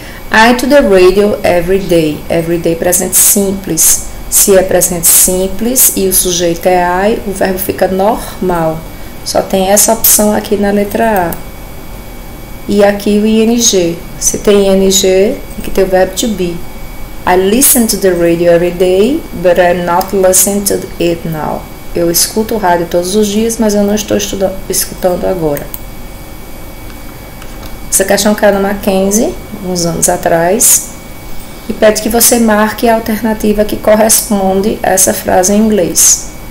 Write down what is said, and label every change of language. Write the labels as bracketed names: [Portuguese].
[English] I to the radio every day. Every day, [Portuguese] presente simples. Se é presente simples e o sujeito é I, o verbo fica normal. Só tem essa opção aqui na letra A. E aqui o ing. Se tem ing, tem que ter o verbo to be. [English] I listen to the radio every day, but I'm not listening to it now. [Portuguese] Eu escuto o rádio todos os dias, mas eu não estou escutando agora. Essa questão caiu na Mackenzie, uns anos atrás, e pede que você marque a alternativa que corresponde a essa frase em inglês.